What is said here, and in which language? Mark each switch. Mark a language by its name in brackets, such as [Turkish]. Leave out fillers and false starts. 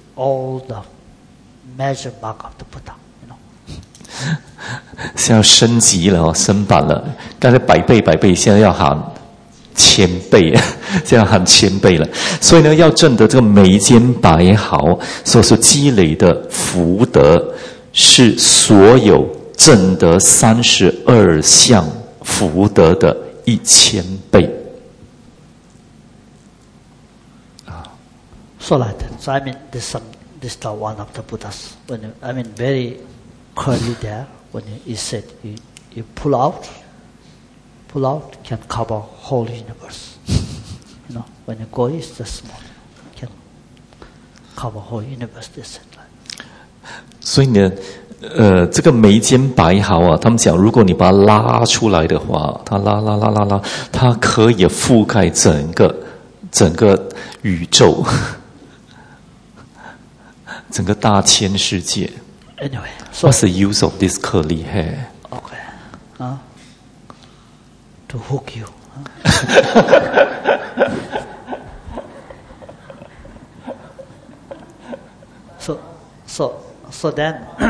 [English] all the measure mark of the Buddha, you know. [Chinese] 是要升级了，升版了，刚才百倍百倍，现在要喊千倍，这样喊千倍了。所以呢，要证得这个眉间白毫，所说积累的福德，是所有证得三十二相福德的一千倍。 [English] So like that. So I mean, this is the one of the Buddhas. When you, I mean, very clearly there, when he said, you pull out, can cover whole universe. You know, when you go, it's the small, can cover whole universe, they said. [Chinese] 所以呢，这个眉间白毫啊，他们讲，如果你把它拉出来的话，它拉拉拉拉拉，它可以覆盖整个宇宙。整个大千世界。 [English] Anyway, so, what's the use of this curly hair? Okay, to hook you. So then,